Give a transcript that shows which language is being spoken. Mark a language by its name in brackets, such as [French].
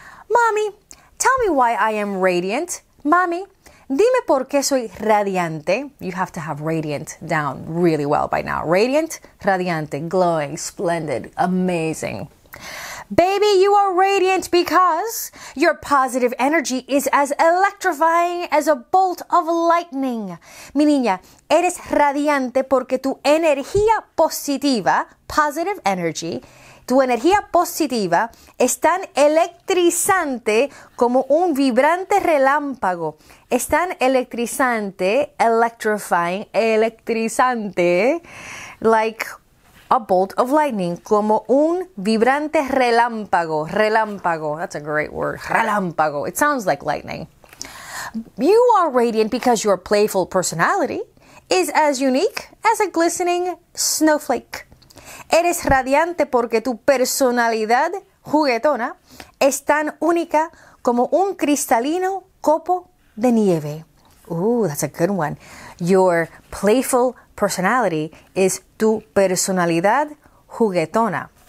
[English] Mommy, tell me why I am radiant. Mommy, [Spanish] dime por qué soy radiante. [English] You have to have radiant down really well by now. Radiant, radiante, glowing, splendid, amazing. Baby, you are radiant because your positive energy is as electrifying as a bolt of lightning. [Spanish] Mi niña, eres radiante porque tu energía positiva, [English] positive energy, [Spanish] tu energía positiva es tan electrizante como un vibrante relámpago. Es tan electrizante, electrifying, electrizante, [English] like a bolt of lightning, [Spanish] como un vibrante relámpago. [English] Relámpago, that's a great word. Relámpago, it sounds like lightning. You are radiant because your playful personality is as unique as a glistening snowflake. [Spanish] Eres radiante porque tu personalidad juguetona es tan única como un cristalino copo de nieve. [English] Ooh, that's a good one. Your playful personality is [Spanish] tu personalidad juguetona.